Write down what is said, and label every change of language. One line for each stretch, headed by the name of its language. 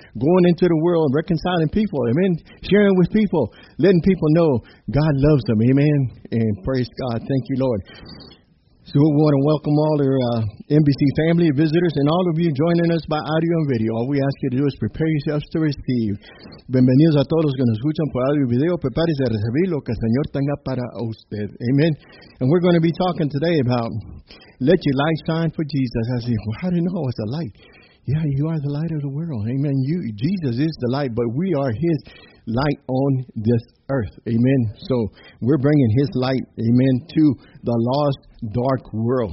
English: Going into the world, reconciling people. Amen. Sharing with people, letting people know God loves them. Amen. And praise God. Thank you, Lord. So we want to welcome all our NBC family, visitors, and all of you joining us by audio and video. All we ask you to do is prepare yourselves to receive.
Spanish: Bienvenidos a todos los que nos escuchan por audio y video. Prepárese a recibir lo que el Señor tenga para usted.
English: Amen. And we're going to be talking today about let your light shine for Jesus. I say, well, how do you know it's a light? Yeah, you are the light of the world. Amen. Jesus is the light, but we are His light on this earth. Amen. So we're bringing His light, amen, to the lost, dark world.